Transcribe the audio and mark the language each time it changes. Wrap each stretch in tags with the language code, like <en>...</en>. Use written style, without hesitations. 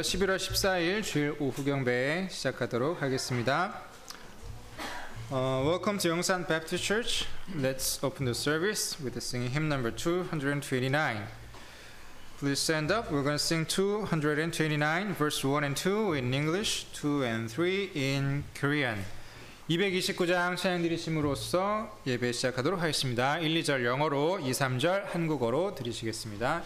<ko>11월 14일 주일 오후 경배 시작하도록 하겠습니다.</ko> <en>Welcome to Yongsan Baptist Church. Let's open the service with the singing hymn number 229. Please stand up. We're going to sing 229, verse 1 and 2 in English, 2 and 3 in Korean.</en> <ko>229장 찬양 드리심으로써 예배 시작하도록 하겠습니다. 1, 2절 영어로, 2, 3절 한국어로 드리시겠습니다.</ko>